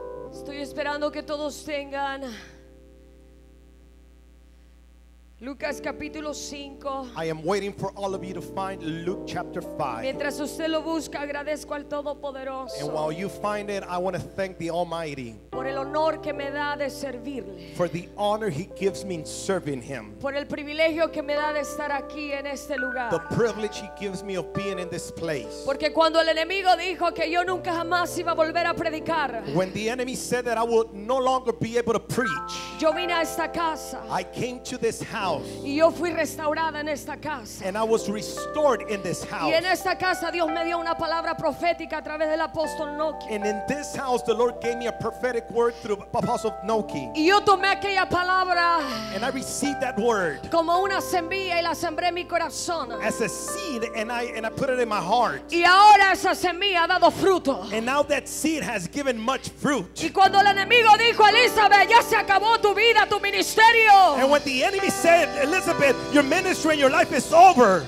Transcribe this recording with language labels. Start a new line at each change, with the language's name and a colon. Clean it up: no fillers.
Spanish: Estoy esperando que todos tengan Lucas capítulo 5.
English: I am waiting for all of you to find Luke chapter 5.
Spanish: Mientras usted lo busca, agradezco al Todopoderoso.
English: And while you find it, I want to thank the Almighty.
Spanish: Por el honor que me da de servirle.
English: For the honor he gives me in serving him.
Spanish: Por el privilegio que me da de estar aquí en este lugar.
English: The privilege he gives me of being in this place.
Spanish: Porque cuando el enemigo dijo que yo nunca jamás iba a volver a predicar.
English: When the enemy said that I would no longer be able to preach.
Spanish: Yo vine a esta casa.
English: I came to this house.
Spanish: Y yo fui restaurada en esta casa.
English: And I was restored in this house.
Spanish: Y en esta casa Dios me dio una palabra profética a través del apóstol Enoch.
English: And in this house the Lord gave me a prophetic word through Apostle Noki.
Spanish: Y yo tomé aquella palabra,
English: and I received that word
Spanish: como una semilla, y la sembré en mi corazón,
English: as a seed, and I put it in my heart.
Spanish: Y ahora esa semilla ha dado fruto.
English: And now that seed has given much fruit.
Spanish: Y cuando el enemigo dijo, Elizabeth, ya se acabó tu vida, tu ministerio.
English: And when the enemy said, Elizabeth, your ministry and your life is over.